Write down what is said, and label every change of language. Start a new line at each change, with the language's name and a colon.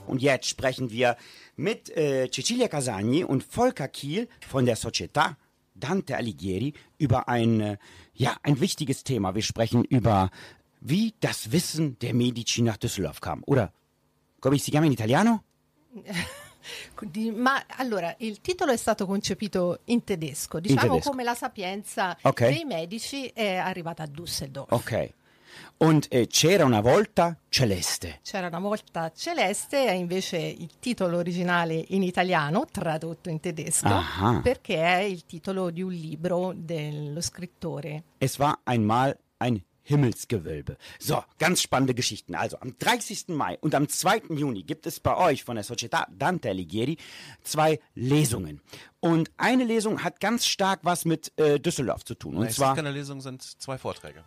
German: Und jetzt sprechen wir mit Cecilia Casagni und Volker Kiel von der Società Dante Alighieri über ein wichtiges Thema. Wir sprechen über, wie das Wissen der Medici nach Düsseldorf kam. Oder
Italian: come si chiama in italiano? Ma allora, il titolo è stato concepito in tedesco, diciamo, in tedesco. Come la sapienza okay. dei Medici è arrivata a Düsseldorf. Ok.
German: Und
Italian: c'era una volta celeste. C'era una volta celeste, è invece il titolo originale in italiano, tradotto in tedesco, aha. perché è il titolo di un libro dello scrittore.
German: Es war einmal ein Himmelsgewölbe. So, ganz spannende Geschichten. Also, am 30. Mai und am 2. Juni gibt es bei euch von der Società Dante Alighieri zwei Lesungen. Und eine Lesung hat ganz stark was mit Düsseldorf zu tun. Und es zwar sind keine Lesungen, sind zwei Vorträge.